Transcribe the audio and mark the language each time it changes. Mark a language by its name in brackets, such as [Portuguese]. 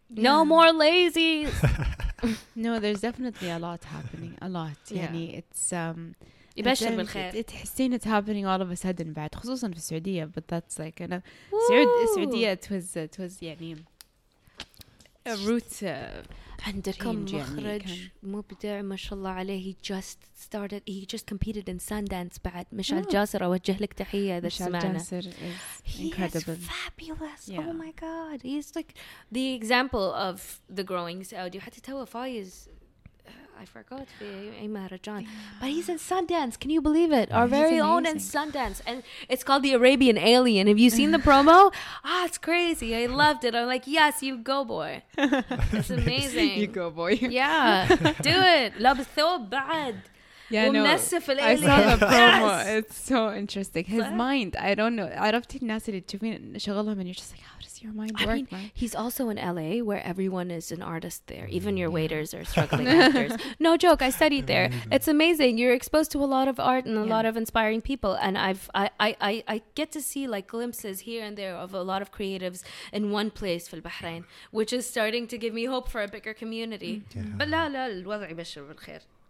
[English] Yeah. No more lazy. No, there's definitely a lot happening. A lot. Yeah. يعني it's [Arabic] يبشر بالخير. [English] تحسين it's happening all of a sudden [Arabic] بعد خصوصا في السعودية. [English] But that's like [Arabic] أنا السعودية [English] it was يعني a root [Arabic] عندكم مخرج مبدع ما شاء الله عليه. [English] He just competed in Sundance بعد مشعل جاسر. [Arabic] أوجه لك تحية إذا سمعنا. [English] مشعل جاسر is incredible. He is fabulous. Yeah. Oh my god, he's like the example of the growing Saudi. [Arabic] حتى توا فايز [English] I forgot [Arabic] في أي مهرجان. [English] But he's in Sundance. Can you believe it? Our very own in Sundance, and it's called the Arabian Alien. Have you seen the promo? Ah, it's crazy. I loved it. I'm like, yes, you go, boy. It's amazing. You go, boy. Yeah, do it. [Arabic] لابس ثوب بعد. [English] Yeah, no. I saw the promo. It's so interesting. His mind. I don't know. [Arabic] عرفت الناس اللي تشوفين شغلهم [English] and you're just like, how does your mind work? I mean, he's also in LA where everyone is an artist there. Even your waiters are struggling actors. No joke. I studied there. It's amazing. You're exposed to a lot of art and a lot of inspiring people. And I get to see like glimpses here and there of a lot of creatives in one place [Arabic] في البحرين, [English] which is starting to give me hope for a bigger community. [Arabic] But لا لا الوضع يبشر بالخير.